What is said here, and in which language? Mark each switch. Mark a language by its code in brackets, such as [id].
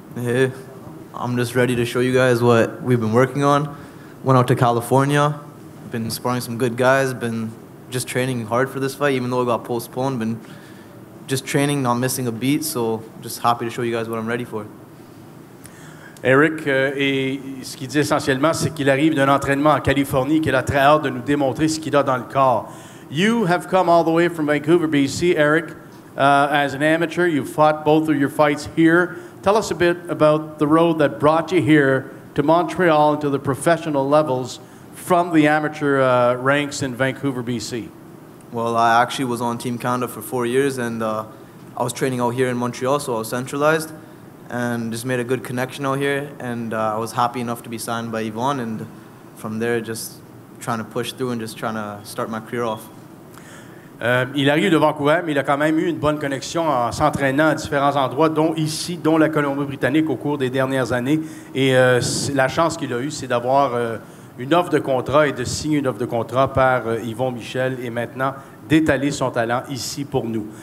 [en] Hey, I'm just ready to show you guys what we've been working on. Went out to California, been sparring some good guys, been just training hard for this fight, even though it got postponed, been just training, not missing a beat, so just happy to show you guys what I'm ready for. [fr] Eric, et ce qu'il dit essentiellement, c'est qu'il arrive d'un entraînement en Californie, qu'il a très hâte de nous démontrer ce qu'il a dans le corps. [en] You have come all the way from Vancouver, BC, Eric, as an amateur. You've fought both of your fights here. Tell us a bit about the road that brought you here to Montreal and to the professional levels from the amateur ranks in Vancouver, BC. Well, I actually was on Team Canada for 4 years, and I was training out here in Montreal, so I was centralized. And just made a good connection out here, and I was happy enough to be signed by Yvonne, and from there, just trying to push through and just trying to start my career off. [fr] Il arrive de Vancouver, mais il a quand même eu une bonne connexion en s'entraînant à différents endroits, dont ici, dont la Colombie-Britannique, au cours des dernières années. Et la chance qu'il a eue, c'est d'avoir une offre de contrat et de signer une offre de contrat par Yvonne Michel, et maintenant d'étaler son talent ici pour nous.